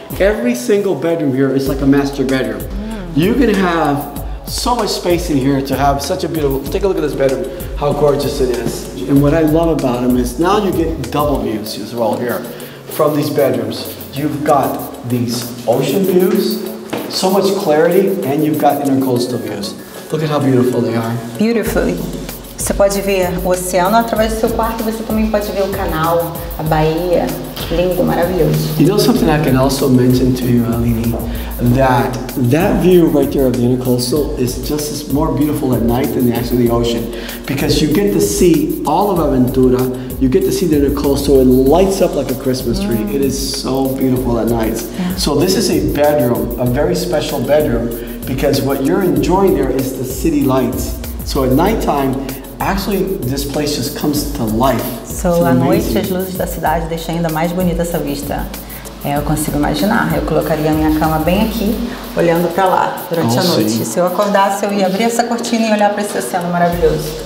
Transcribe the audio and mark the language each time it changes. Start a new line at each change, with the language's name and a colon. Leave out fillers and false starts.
English: Every single bedroom here is like a master bedroom. You can have so much space in here to have such a beautiful, take a look at this bedroom, how gorgeous it is. And what I love about them is now you get double views as well here from these bedrooms. You've got these ocean views, so much clarity, and you've got intercoastal views. Look at how beautiful they are. Beautifully.
Portuguese: Você pode ver o oceano através do seu quarto, você também pode ver o canal, a Bahia. Lindo, maravilhoso.
English: You know something I can also mention to you, Aline? That that view right there of the intercoastal is just as more beautiful at night than actually the ocean. Because you get to see all of Aventura, you get to see the intercoastal, it lights up like a Christmas tree. It is so beautiful at night. Yeah. So this is a bedroom, a very special bedroom, because what you're enjoying there is the city lights. So at nighttime, actually, this place just comes to life.
Portuguese: So, à noite, as luzes da cidade deixam ainda mais bonita essa vista. É, eu consigo imaginar. Eu colocaria a minha cama bem aqui, olhando para lá durante a noite. Sim. Se eu acordasse, eu ia abrir essa cortina e olhar para esse oceano maravilhoso.